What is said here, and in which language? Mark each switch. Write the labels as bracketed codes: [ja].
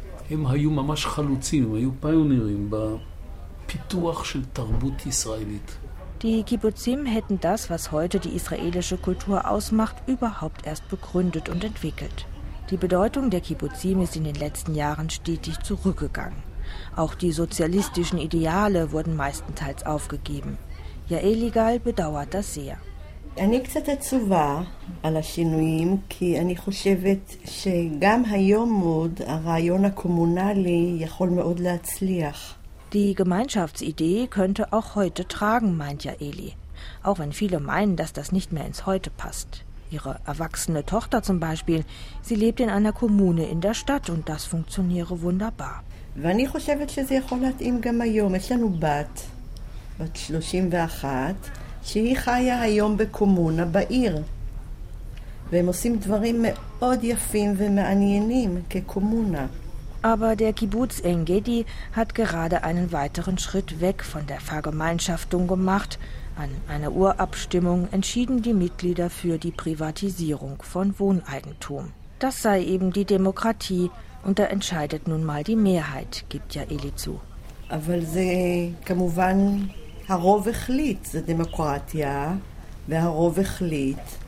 [he] הם היו ממש חלוצים, הם היו פיונירים בפיתוח של תרבות ישראלית. [de] Die Kibbutzim hätten das, was heute die israelische Kultur ausmacht, überhaupt erst begründet und entwickelt. Die Bedeutung der Kibbutzim ist in den letzten Jahren stetig zurückgegangen. Auch die sozialistischen Ideale wurden meistenteils aufgegeben. Jaeli Gal bedauert das sehr. [he] אני קצת עצובה על השינויים, כי אני חושבת שגם היום עוד הרעיון הקומונלי יכול מאוד להצליח. [de] Die Gemeinschaftsidee könnte auch heute tragen, meint Jaeli. Auch wenn viele meinen, dass das nicht mehr ins Heute passt. Ihre erwachsene Tochter zum Beispiel, sie lebt in einer Kommune in der Stadt und das funktioniere wunderbar. [he] ואני חושבת שזה יכול להתאים גם היום. יש לנו בת, בת 31, שהיא חיה היום בקומונה בעיר. והם עושים דברים מאוד יפים ומעניינים כקומונה. [de] Aber der Kibbutz En Gedi hat gerade einen weiteren Schritt weg von der Vergemeinschaftung gemacht. An einer Urabstimmung entschieden die Mitglieder für die Privatisierung von Wohneigentum. Das sei eben die Demokratie und da entscheidet nun mal die Mehrheit, gibt Jaeli zu. Aber sie, [he] kamuvan, הרוב החליט, זה דמוקרטיה, והרוב החליט.